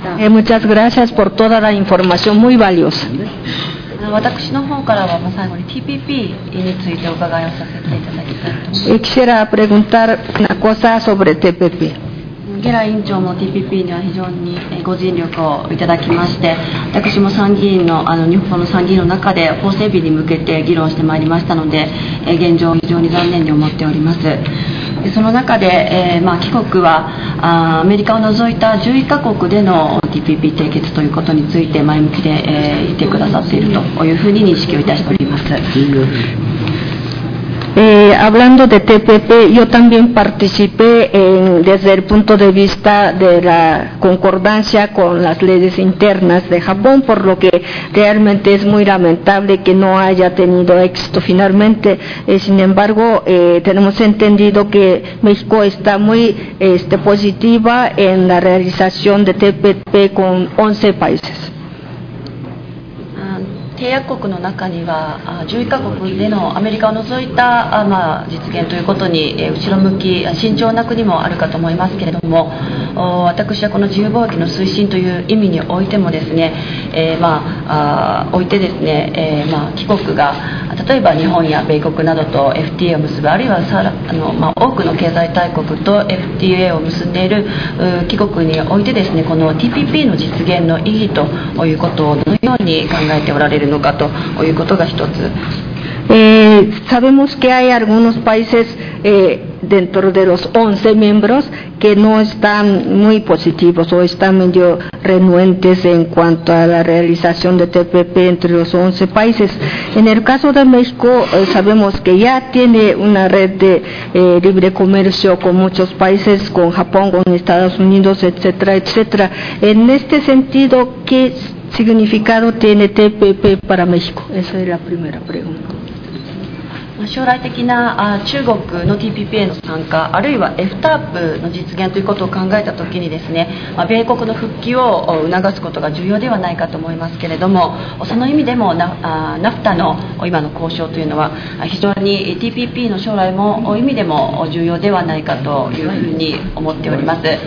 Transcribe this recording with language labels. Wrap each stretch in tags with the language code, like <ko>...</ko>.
<es>Muchas gracias por toda la información muy valiosa.</es> <ja>私の方からは最後に TPP についてお伺いをさせていただきたいと思います。</ja> <es>Quisiera preguntar una cosa sobre TPP.</es> <ja>ゲラ委員長も TPP には非常にご尽力をいただきまして、私も参議院の日本の参議院の中で法整備に向けて議論してまいりましたので、現状非常に残念に思っております。その中で、帰国はアメリカを除いた11カ国での TPP 締結ということについて前向きで、言ってくださっているというふうに認識をいたしております。</ja> <es>Hablando de TPP, yo también participé desde el punto de vista de la concordancia con las leyes internas de Japón, por lo que realmente es muy lamentable que no haya tenido éxito finalmente. Sin embargo, tenemos entendido que México está muy positiva en la realización de TPP con 11 países.</es> <ja>締約国の中には11カ国でのアメリカを除いた実現ということに後ろ向き慎重な国もあるかと思いますけれども、私はこの自由貿易の推進という意味においてもですね、帰国が例えば日本や米国などと FTA を結ぶ、あるいは多くの経済大国と FTA を結んでいる帰国においてですね、この TPP の実現の意義ということをどのように考えておられるのかということが一つ。</ja> <es>Sabemos que hay algunos países dentro de los 11 miembros que no están muy positivos o están medio renuentes en cuanto a la realización de TPP entre los 11 países. En el caso de México, sabemos que ya tiene una red de libre comercio con muchos países, con Japón, con Estados Unidos, etcétera, etcétera. En este sentido, ¿qué significado tiene TPP para México? Esa es la primera pregunta.</es> <ja>将来的な中国の TPP への参加、あるいは FTAP の実現ということを考えたときにですね、米国の復帰を促すことが重要ではないかと思いますけれども、その意味でも NAFTA の今の交渉というのは非常に TPP の将来も意味でも重要ではないかというふうに思っております。</ja>